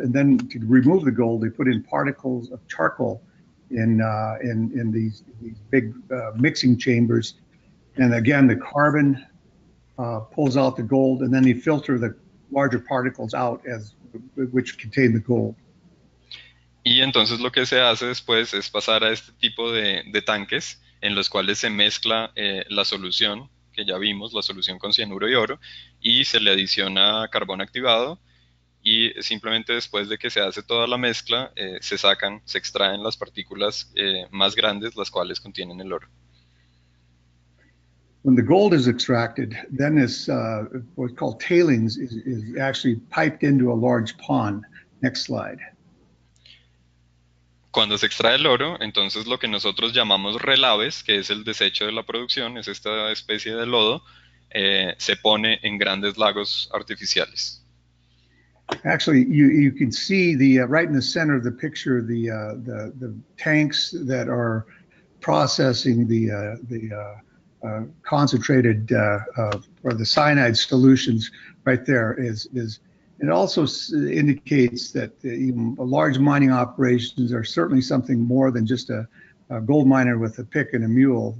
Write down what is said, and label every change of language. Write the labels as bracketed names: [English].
[English] And then to remove the gold, they put in particles of charcoal in these big mixing chambers. And again, the carbon pulls out the gold, and then they filter the larger particles out as which contain the gold. [Spanish] Y entonces lo que se hace después es pasar a este tipo de tanques en los cuales se mezcla la solución que ya vimos, la solución con cianuro y oro, y se le adiciona carbón activado. Y simplemente después de que se hace toda la mezcla, se extraen las partículas más grandes, las cuales contienen el oro. [English] When the gold is extracted, then this what's called tailings is actually piped into a large pond. Next slide. [Spanish] Cuando se extrae el oro, entonces lo que nosotros llamamos relaves, que es el desecho de la producción, es esta especie de lodo, se pone en grandes lagos artificiales. [English] Actually, you can see the right in the center of the picture the tanks that are processing the concentrated or the cyanide solutions right there is it also indicates that large mining operations are certainly something more than just a gold miner with a pick and a mule.